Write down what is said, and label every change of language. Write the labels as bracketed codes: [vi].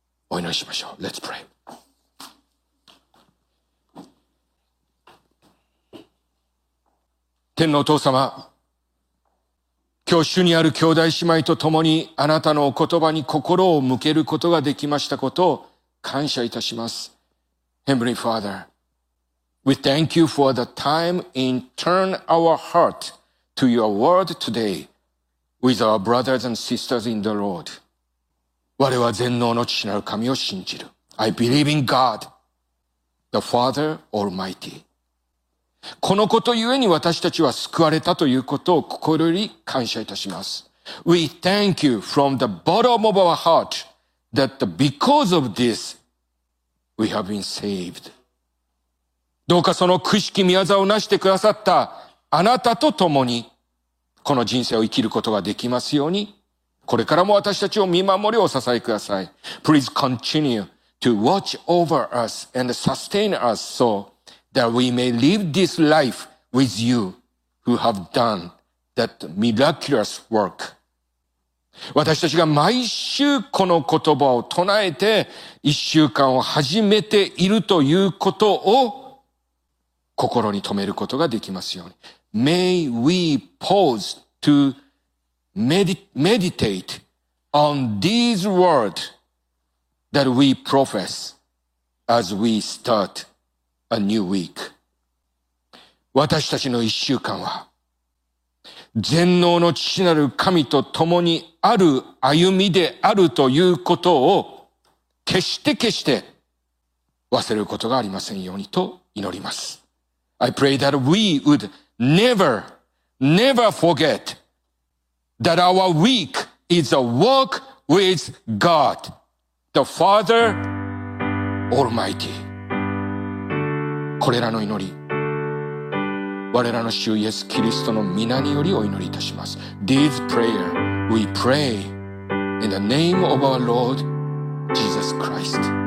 [ja] お祈りしましょう。 [en] Let's pray。 [ja] 天のお父様、今日主にある兄弟姉妹と共にあなたのお言葉に心を向けることができましたことを感謝いたします。 [en] Heavenly Father, We thank you for the time in turn our heart to your word today with our brothers and sisters in the Lord。 [ja] 我は全能の父なる神を信じる。 [en] I believe in God, the Father Almighty。 [ja] このことゆえに私たちは救われたということを心より感謝いたします。 [en] We thank you from the bottom of our heart that because of this we have been saved。 [ja] どうかそのくしき御業をなしてくださったあなたと共にこの人生を生きることができますように、これからも私たちを見守りお支えください。 [en] Please continue to watch over us and sustain us so that we may live this life with you who have done that miraculous work。 [ja] 私たちが毎週この言葉を唱えて一週間を始めているということを心に留めることができますように。 [en] May we pause toMeditate on these words that we profess as we start a new week。 [ja] 私たちの一週間は全能の父なる神と共にある歩みであるということを決して決して忘れることがありませんようにと祈ります。 [en] I pray that we would never, never forgetThat our week is a walk with God, the Father Almighty。 [ja] これらの祈り、我らの主イエス・キリストの御名によりお祈りいたします。 [en] This prayer we pray in the name of our Lord Jesus Christ.